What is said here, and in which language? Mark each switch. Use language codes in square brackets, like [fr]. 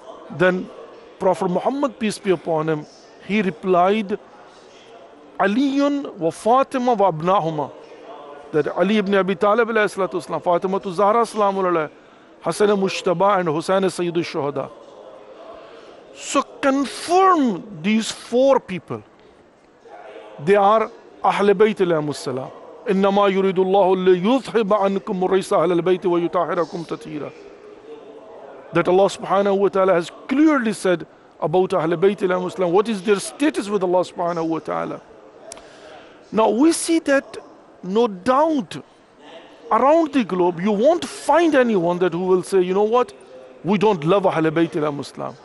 [en] Then Prophet Muhammad, peace be upon him, he replied, [ar] Aliyun wa Fatima wa abnahuma. [en] That Ali ibn Abi Talib alayhi salatu wasalam, Fatima tu Zahra salamu alayhi, Hassan al-Mushtaba and Hussain al-Sayyidu al-Shuhada. So confirm these four people. They are Ahl-Bayt alayhi salam. [ar] إنما يريد الله ليذهب عنكم الرجس أهل البيت ويطهركم تطهيرا. [en] That Allah subhanahu wa ta'ala has clearly said about Ahl al-Bayt al-Muslim, what is their status with Allah subhanahu wa ta'ala. Now we see that no doubt around the globe you won't find anyone that who will say, you know what, we don't love Ahl al-Bayt al-Muslim.